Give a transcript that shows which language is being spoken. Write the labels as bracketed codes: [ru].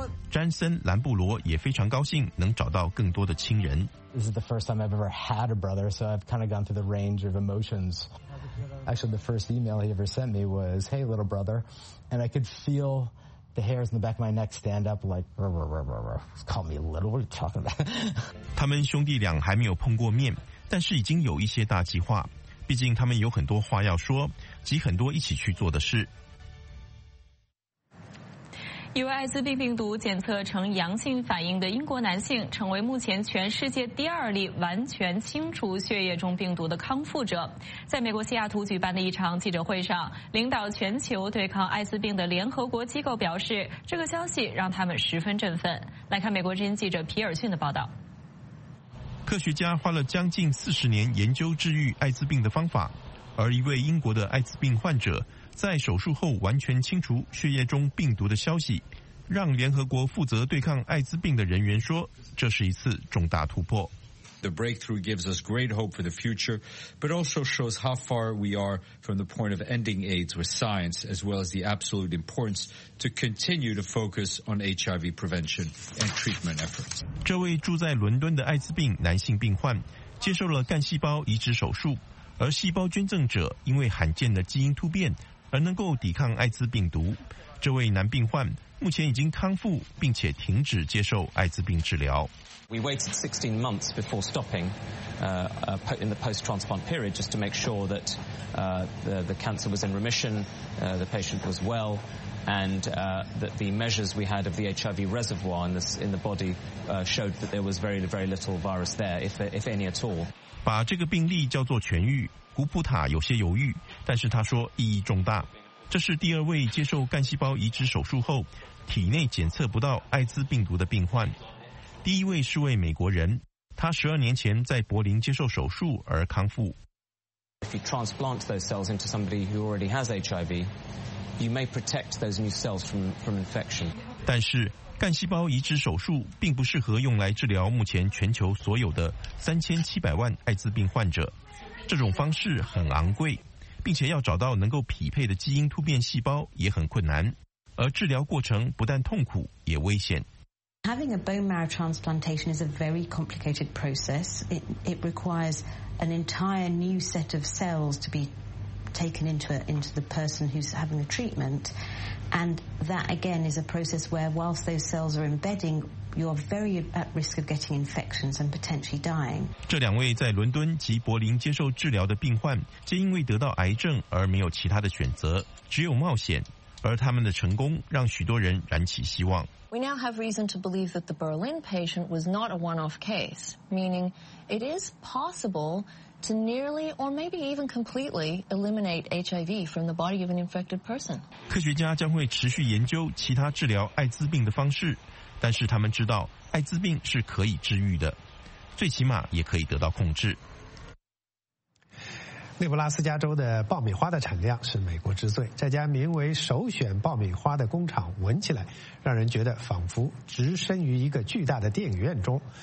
[zh] 詹森·兰布罗也非常高兴能找到更多的亲人。 [en] This is the first time I've ever had a brother, so I've kind of gone through the range of emotions. Actually, the first email he ever sent me was, hey, little brother. And I could feel... The hairs in the back of my neck stand up like, rrr, rrr, rrr, rrr. Call me little, what are you talking about? [zh] 他们兄弟俩还没有碰过面，但是已经有一些大计划。毕竟他们有很多话要说，及很多一起去做的事。由艾滋病病毒检测呈阳性反应的英国男性成为目前全世界第二例完全清除血液中病毒的康复者。在美国西雅图举办的一场记者会上，领导全球对抗艾滋病的联合国机构表示，这个消息让他们十分振奋。来看美国之音记者皮尔逊的报道。科学家花了将近40年研究治愈艾滋病的方法，而一位英国的艾滋病患者在手术后完全清除血液中病毒的消息，让联合国负责对抗艾滋病的人员说，这是一次重大突破。 [en] The breakthrough gives us great hope for the future, but also shows how far we are from the point of ending AIDS with science, as well as the absolute importance to continue to focus on HIV prevention and treatment efforts. [zh] 这位住在伦敦的艾滋病男性病患接受了干细胞移植手术，而细胞捐赠者因为罕见的基因突变而能够抵抗艾滋病毒。这位男病患目前已经康复，并且停止接受艾滋病治疗。 [en] We waited 16 months before stopping, in the post-transplant period, just to make sure that, the cancer was in remission, the patient was well, and, that the measures we had of the HIV reservoir in the body, showed that there was very, very little virus there, if any at all. [zh] 把这个病例叫做痊愈。胡普塔有些犹豫，但是他说意义重大。这是第二位接受干细胞移植手术后体内检测不到艾滋病毒的病患。第一位是位美国人，他12年前在柏林接受手术而康复。 [en] If you transplant those cells into somebody who already has HIV, you may protect those new cells from infection. [zh] 但是干细胞移植手术并不适合用来治疗目前全球所有的3700万艾滋病患者。这种方式很昂贵，并且要找到能够匹配的基因突变细胞也很困难，而治疗过程不但痛苦也危险。 [en] Having a bone marrow transplantation is a very complicated process. It requires an entire new set of cells to be taken into the person who's having the treatment, and that again is a process where whilst those cells are embedding. You are very at risk of getting infections and potentially dying. [zh] 这两位在伦敦及柏林接受治疗的病患，皆因为得到癌症而没有其他的选择，只有冒险。而他们的成功让许多人燃起希望。 [en] We now have reason to believe that the Berlin patient was not a one-off case, meaning it is possible to nearly or maybe even completely eliminate HIV from the body of an infected person. [zh] 科学家将会持续研究其他治疗艾滋病的方式。但是他们知道艾滋病是可以治愈的，最起码也可以得到控制。内布拉斯加州的爆米花的产量是美国之最，这家名为首选爆米花的工厂闻起来让人觉得仿佛置身于一个巨大的电影院中。